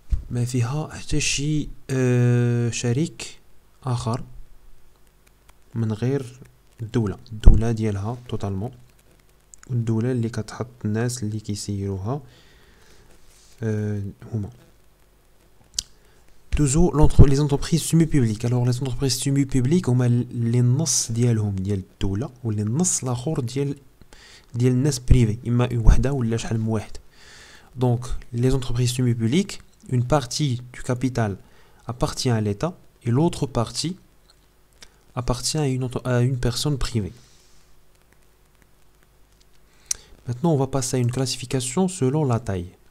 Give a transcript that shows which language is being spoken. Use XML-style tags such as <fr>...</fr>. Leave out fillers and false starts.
<ar>Mais fiha tachi sharik akhar من غير الدولة الدولة ديالها totalement والدولة اللي كتحط الناس اللي كيسيروها هما</ar> <fr>toujours l'entre les entreprises semi publiques. Alors les entreprises semi publiques</fr> <ar>هما les نص ديالهم ديال الدولة واللي النص الاخر ديال الناس بريفي اما وحدة ولا شحال من واحد.</ar> <fr>Donc, les entreprises semi-publiques, une partie du capital appartient à l'État et l'autre partie appartient à une personne privée. Maintenant, on va passer à une classification selon la taille.</fr>